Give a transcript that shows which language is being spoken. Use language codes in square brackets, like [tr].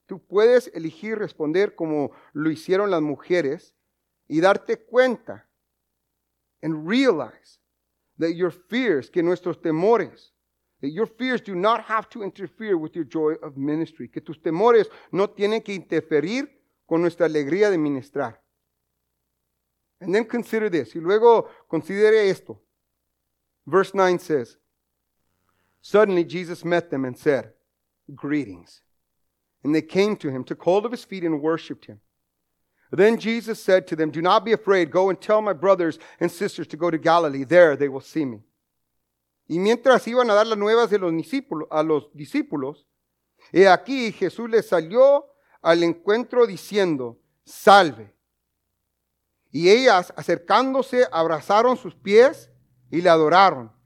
[es] Tú puedes elegir responder como lo hicieron las mujeres y darte cuenta [en] and realize that your fears, [es] que nuestros temores, [en] that your fears do not have to interfere with your joy of ministry. [es] Que tus temores no tienen que interferir con nuestra alegría de ministrar. [en] And then consider this. [es] Y luego considere esto. [en] Verse 9 says, suddenly Jesus met them and said, greetings. And they came to him, took hold of his feet and worshipped him. Then Jesus said to them, do not be afraid. Go and tell my brothers and sisters to go to Galilee. There they will see me. [es] Y mientras iban a dar las nuevas a los discípulos, he aquí Jesús les salió al encuentro diciendo, salve. Y ellas, acercándose, abrazaron sus pies y le adoraron.